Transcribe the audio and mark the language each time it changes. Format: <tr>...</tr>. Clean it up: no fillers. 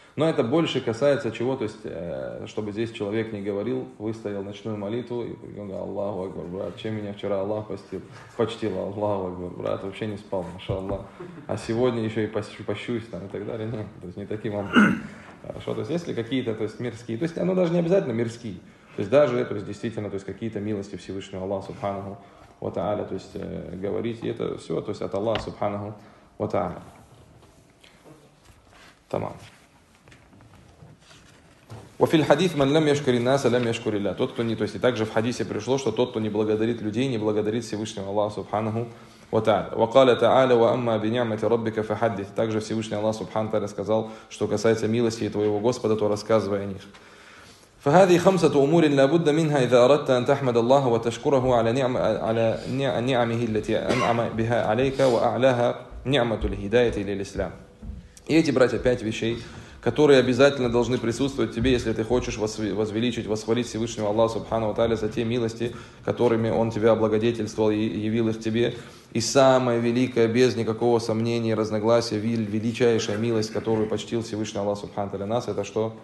<ru>Но это больше касается чего, то есть, чтобы здесь человек не говорил, выставил ночную молитву, и он говорит, Аллаху Акбар, брат, чем меня вчера Аллах постил, почтил, Аллаху Акбар, брат, вообще не спал, машаллах, а сегодня еще и пощусь, там, и так далее, нет, то есть, не таким образом. Хорошо, то есть, если какие-то, то есть, мирские, то есть, оно даже не обязательно мирские, то есть, даже, то есть, действительно, то есть, какие-то милости Всевышнего Аллаха, Субханаху, ва Тааля, то есть, говорить, и это все, то есть, от Аллаха, Субханаху, ва Тааля. Тамам.</ru> <ar>وفي الحديث من لم يشكر الناس لم يشكر الله.</ar> <ru>Тот, кто не, то есть, и также в хадисе пришло, что тот, кто не благодарит людей, не благодарит Всевышнего Аллаха Субханаху ва Тааля.</ru> <ar>وقال تعالى واما بنعمه ربك فحدث.</ar> <ru>Также Всевышний Аллах Субханаху ва Тааля сказал, что касается милости твоего Господа, то рассказывай о них.</ru> <ar>فهذه خمسة أمور لا بد منها إذا أردت أن تحمد الله وتشكره على نعم على نعمه التي أنعم بها عليك وأعلاها نعمة الهداية للإسلام.</ar> <ru>И эти, братья, пять вещей, которые обязательно должны присутствовать тебе, если ты хочешь возвеличить, восхвалить Всевышнего Аллаха Субханаху ва Тааля за те милости, которыми Он тебя облагодетельствовал и явил их тебе. И самая великая, без никакого сомнения и разногласия, величайшая милость, которую почтил Всевышний Аллах Субханаху ва Тааля нас, это что?</ru>